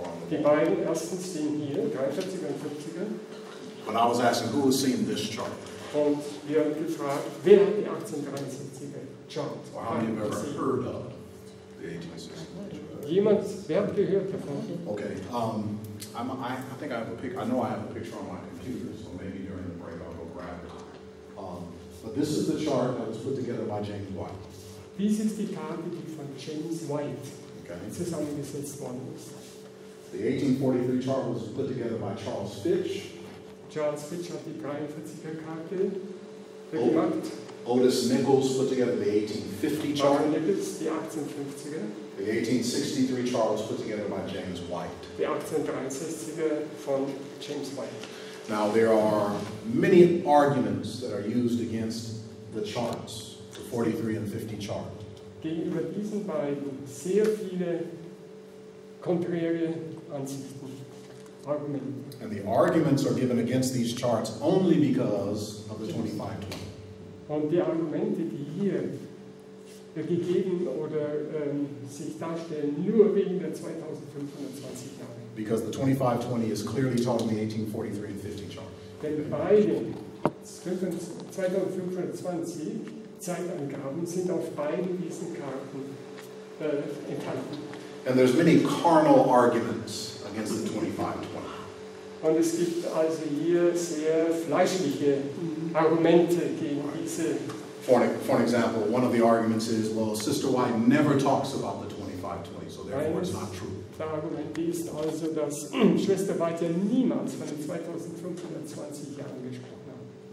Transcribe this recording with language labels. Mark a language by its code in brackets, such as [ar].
[de] Die beiden ersten stehen hier, 43er und 50er. [en] But I was asking, who has seen this chart? [de] Und wir haben gefragt, wer hat die 1863er chart? [en] Or how many have ever heard of the 1863? [de] Jemand, wer hat gehört davon? [en] Okay, I have a picture on my computer, so maybe during the break I'll go grab it. But this is the chart that was put together by James White. [de] Dies ist die Karte, die von James White zusammengesetzt worden ist. [en] The 1843 chart was put together by Charles Fitch. [de] Charles Fitch hat die 43er Karte gemacht. [en] Otis Nichols put together the 1850 chart. [de] Otis Nichols, die 1850er. [en] The 1863 chart was put together by James White. [de] The 1863er von James White. [en] Now there are many arguments that are used against the charts, the 43 and 50 chart. [de] Gegenüber diesen beiden sehr viele konträre Ansichten, Argumente. [en] And the arguments are given against these charts only because of the 2520. [de] Und die Argumente, die hier gegeben oder sich darstellen nur wegen der 2520 Jahre. [en] Because the 2520 is clearly talking the 1843 and 50 chart. [de] Denn beide 2520 Zeitangaben sind auf beiden diesen Karten enthalten. [en] And there's many carnal arguments against the 2520. [de] Und es gibt also hier sehr fleischliche Argumente gegen diese. [en] For an example, one of the arguments is, well, Sister White never talks about the 2520, so therefore it's not true. [de] Der Argument ist also, dass Schwester White niemals von den 2520 Jahren gesprochen hat.